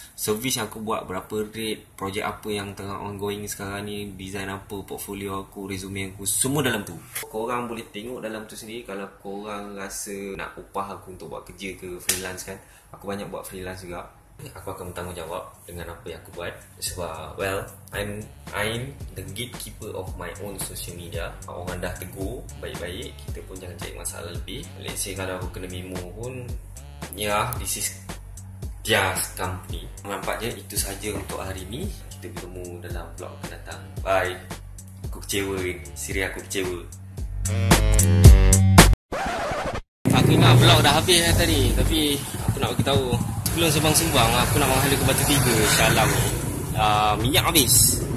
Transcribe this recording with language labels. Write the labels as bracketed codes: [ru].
[ms] Service yang aku buat, berapa rate, projek apa yang tengah ongoing sekarang ni, design apa, portfolio aku, resume aku, semua dalam tu. Korang boleh tengok dalam tu sendiri. Kalau korang rasa nak upah aku untuk buat kerja ke freelance kan, aku banyak buat freelance juga. Aku akan bertanggungjawab dengan apa yang aku buat. Sebab, [en] well, I'm the gatekeeper of my own social media. [ms] Orang dah tegur, baik-baik, kita pun jangan cari masalah lebih. [en] Let's say [ms] kalau aku kena memo pun, [en] yeah, this is their company. [ms] Nampaknya itu sahaja untuk hari ini. Kita bertemu dalam vlog akan datang. Bye. Aku kecewa, Siri, aku kecewa. Aku ingat vlog dah habis lah tadi. Tapi aku nak beritahu, belum sembang-sembang aku nak menghala ke batu tiga syalam ni. Minyak habis.